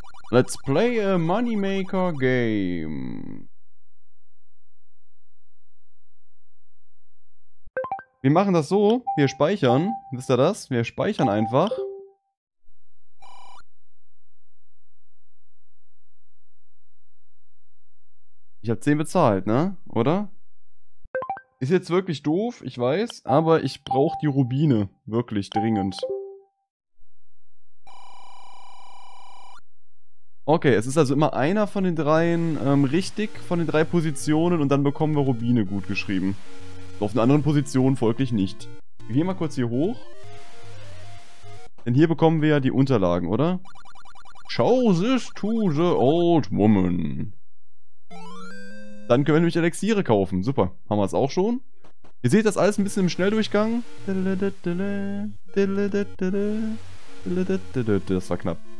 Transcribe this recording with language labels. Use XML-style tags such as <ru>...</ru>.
<en>Let's play a Moneymaker Game.</en> <de>Wir machen das so, wir speichern. Wisst ihr das? Wir speichern einfach. Ich habe 10 bezahlt, ne? Oder? Ist jetzt wirklich doof, ich weiß, aber ich brauche die Rubine wirklich dringend. Okay, es ist also immer einer von den dreien richtig von den drei Positionen und dann bekommen wir Rubine gut geschrieben. Auf einer anderen Position folglich nicht. Wir gehen mal kurz hier hoch. Denn hier bekommen wir ja die Unterlagen, oder?</de> <en>Show this to the old woman.</en> <de>Dann können wir nämlich Elixiere kaufen. Super, haben wir es auch schon. Ihr seht das alles ein bisschen im Schnelldurchgang. Das war knapp.</de>